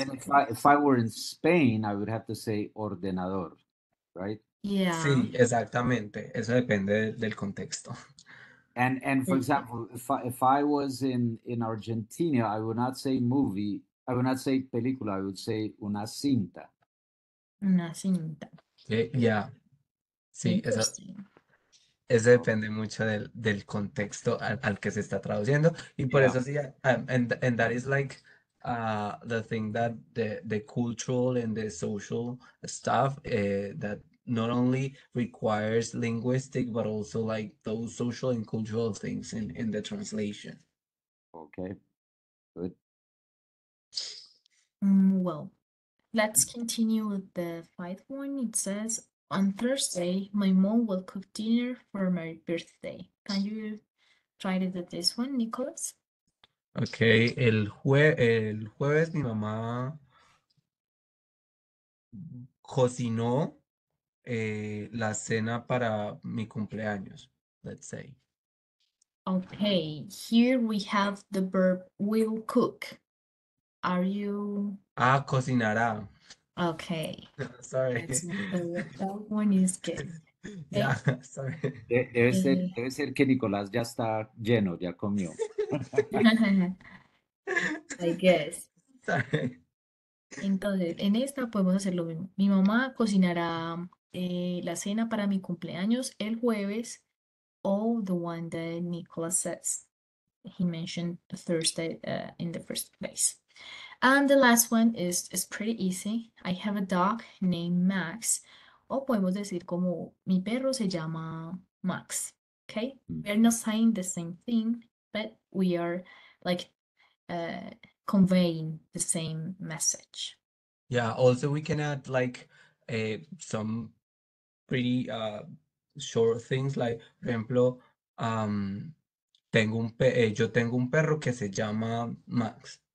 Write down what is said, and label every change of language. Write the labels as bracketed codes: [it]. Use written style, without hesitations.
[en] And if I were in Spain, I would have to say ordenador, right? Yeah. [es] Sí, exactamente. Eso depende del contexto. [en] And for example, if I was in Argentina, I would not say movie. I would not say película. I would say [es] una cinta. Una cinta. [en] Yeah. [es] Sí, eso depende mucho del contexto al que se está traduciendo. Y por eso sí, [en] and that is like the thing that the cultural and the social stuff that not only requires linguistic, but also like those social and cultural things in the translation. Okay, good. Well, let's continue with the fifth one. It says, on Thursday, my mom will cook dinner for my birthday. Can you try to do this one, Nicholas? [es] Okay, el jueves mi mamá cocinó la cena para mi cumpleaños, [en] let's say. Okay, here we have the verb will cook. Are you? [es] Ah, cocinará. [en] Okay. Sorry. That one is good. Okay. Yeah, sorry. [es] Debe ser que Nicolás ya está lleno, ya comió. [en] I guess. Sorry. [es] Entonces, en esta podemos hacer lo mismo. Mi mamá cocinará la cena para mi cumpleaños el jueves. [en] Oh, the one that Nicolás says. He mentioned Thursday in the first place. And the last one is pretty easy. I have a dog named Max. [es] O podemos decir como mi perro se llama Max. [en] Okay? Mm-hmm. We're not saying the same thing, but we are like conveying the same message. Yeah, also we can add like some pretty short things like, for example, [es] yo tengo un perro que se llama Max.